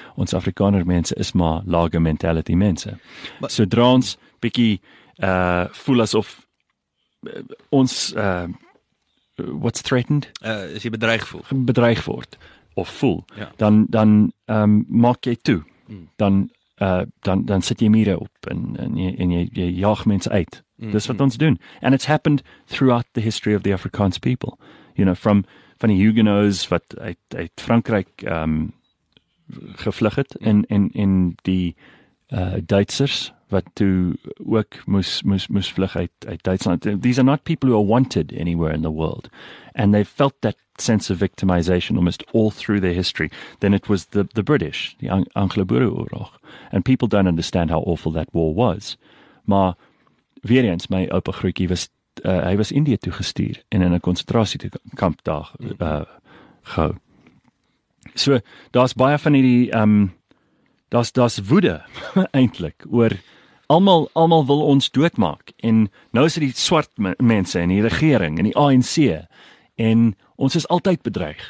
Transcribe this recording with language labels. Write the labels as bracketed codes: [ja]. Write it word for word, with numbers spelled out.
[af] Ons Afrikaner mense is maar lager mentality mense. Maar, sodra ons bietjie uh, voel asof uh, ons uh, [en] what's threatened? [af] Uh, is jy bedreig voel? Bedreig word, of voel. Ja. Dan, dan um, maak jy toe. Hmm. Dan, uh, dan, dan sit jy mure op en, en, jy, en jy, jy jaag mense uit. Dis wat ons doen. [en] And it's happened throughout the history of the Afrikaans people. You know, from [af] van die Huguenots wat uit, uit Frankryk um, gevlug het en, en, en die uh, Duitsers wat toe ook moes, moes, moes vlug uit, uit Duitsland. [en] These are not people who are wanted anywhere in the world. And they felt that sense of victimization almost all through their history. Then it was the, the British, the Anglo-Boereoorlog. And people don't understand how awful that war was. [af] Maar weer eens, my oupa Grootjie was, uh, hy was Indië toegestuur en in 'n konsentrasiekamp daar uh, gehou. So, daar's baie van hierdie, um, daar's, daar's woede eintlik, oor almal almal wil ons doodmaak en nou is dit die swart me- mense en die regering en die A N C en ons is altyd bedreig.